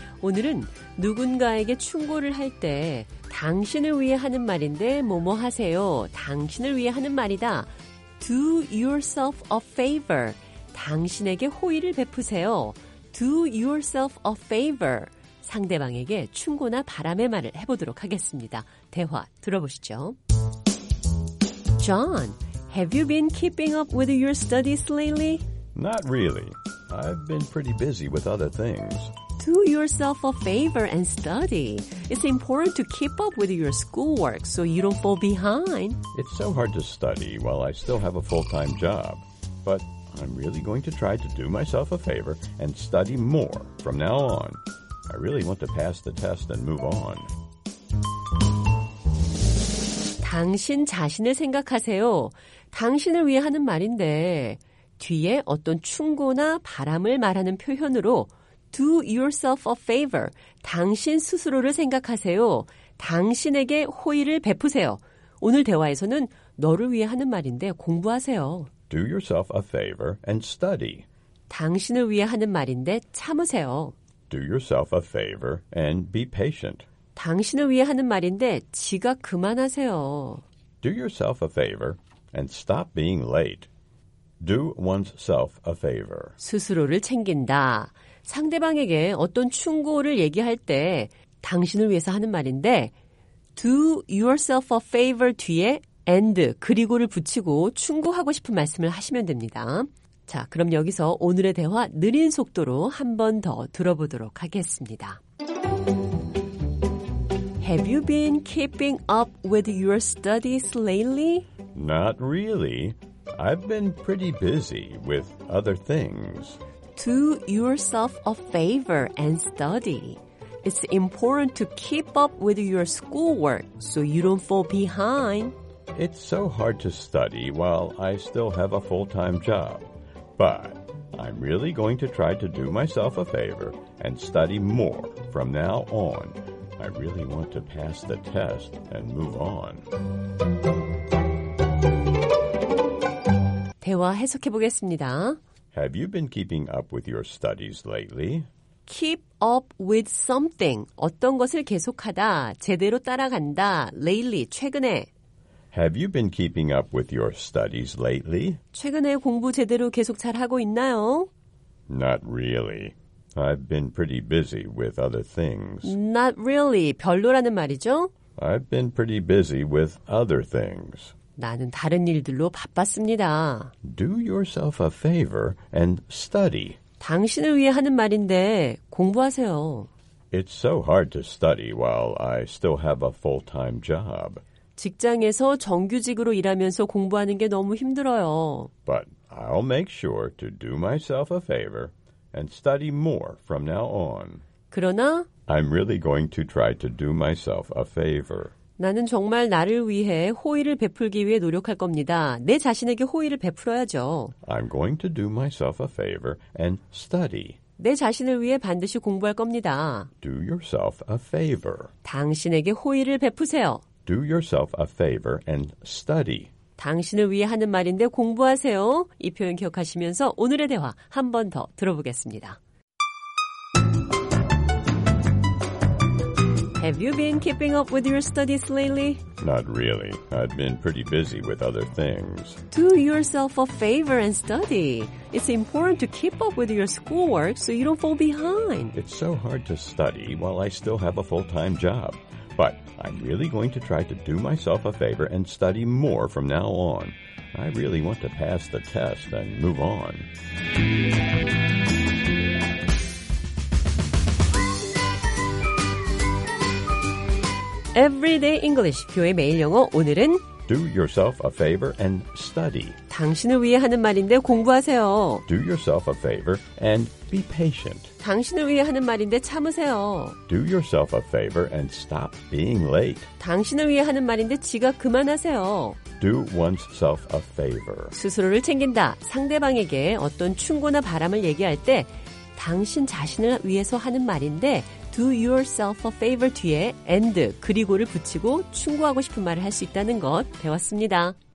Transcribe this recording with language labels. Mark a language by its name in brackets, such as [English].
[Korean] 오늘은 누군가에게 충고를 할 때 당신을 위해 하는 말인데 뭐뭐 하세요. 당신을 위해 하는 말이다. [English] Do yourself a favor. [Korean] 당신에게 호의를 베푸세요. [English] Do yourself a favor. [Korean] 상대방에게 충고나 바람의 말을 해보도록 하겠습니다. 대화 들어보시죠. [English] John, have you been keeping up with your studies lately? Not really. I've been pretty busy with other things. Do yourself a favor and study. It's important to keep up with your schoolwork so you don't fall behind. It's so hard to study while I still have a full-time job. But I'm really going to try to do myself a favor and study more from now on. I really want to pass the test and move on. [Korean] 당신 자신을 생각하세요. 당신을 위해 하는 말인데 뒤에 어떤 충고나 바람을 말하는 표현으로 [English] Do yourself a favor. [Korean] 당신 스스로를 생각하세요. 당신에게 호의를 베푸세요. 오늘 대화에서는 너를 위해 하는 말인데 공부하세요. [English] Do yourself a favor and study. [Korean] 당신을 위해 하는 말인데 참으세요. [English] Do yourself a favor and be patient. [Korean] 당신을 위해 하는 말인데 지각 그만하세요. [English] Do yourself a favor and stop being late. Do oneself a favor. [Korean] 스스로를 챙긴다. 상대방에게 어떤 충고를 얘기할 때 당신을 위해서 하는 말인데 [English] Do yourself a favor [Korean] 뒤에 and 그리고를 붙이고 충고하고 싶은 말씀을 하시면 됩니다. 자, 그럼 여기서 오늘의 대화 느린 속도로 한 번 더 들어보도록 하겠습니다. [English] Have you been keeping up with your studies lately? Not really. I've been pretty busy with other things. Do yourself a favor and study. It's important to keep up with your schoolwork so you don't fall behind. It's so hard to study while I still have a full-time job. But I'm really going to try to do myself a favor and study more from now on. I really want to pass the test and move on. [Korean] 대화 해석해 보겠습니다. [English] Have you been keeping up with your studies lately? Keep up with something. [Korean] 어떤 것을 계속하다, 제대로 따라간다. [English] Lately, 최근에. Have you been keeping up with your studies lately? [Korean] 최근에 공부 제대로 계속 잘하고 있나요? [English] Not really. I've been pretty busy with other things. Not really. [Korean] 별로라는 말이죠? [English] I've been pretty busy with other things. [Korean] 나는 다른 일들로 바빴습니다. [English] Do yourself a favor and study. [Korean] 당신을 위해 하는 말인데 공부하세요. [English] It's so hard to study while I still have a full-time job. [Korean] 직장에서 정규직으로 일하면서 공부하는 게 너무 힘들어요. [English] But I'll make sure to do myself a favor and study more from now on. [Korean] 그러나 [English] I'm really going to try to do myself a favor. [Korean] 나는 정말 나를 위해 호의를 베풀기 위해 노력할 겁니다. 내 자신에게 호의를 베풀어야죠. [English] I'm going to do myself a favor and study. [Korean] 내 자신을 위해 반드시 공부할 겁니다. [English] Do yourself a favor. [Korean] 당신에게 호의를 베푸세요. [English] Do yourself a favor and study. [Korean] 당신을 위해 하는 말인데 공부하세요. 이 표현 기억하시면서 오늘의 대화 한 번 더 들어보겠습니다. [English] Have you been keeping up with your studies lately? Not really. I've been pretty busy with other things. Do yourself a favor and study. It's important to keep up with your schoolwork so you don't fall behind. It's so hard to study while I still have a full-time job. But I'm really going to try to do myself a favor and study more from now on. I really want to pass the test and move on. [Korean] 에브리데이 잉글리시 교회 매일 영어 오늘은 [English] Do yourself a favor and study. [Korean] 당신을 위해 하는 말인데 공부하세요. [English] Do yourself a favor and be patient. [Korean] 당신을 위해 하는 말인데 참으세요. [English] Do yourself a favor and stop being late. [Korean] 당신을 위해 하는 말인데 지각 그만하세요. [English] Do one's self a favor. [Korean] 스스로를 챙긴다. 상대방에게 어떤 충고나 바람을 얘기할 때 당신 자신을 위해서 하는 말인데 [English] Do yourself a favor [Korean] 뒤에 and 그리고를 붙이고 충고하고 싶은 말을 할 수 있다는 것 배웠습니다.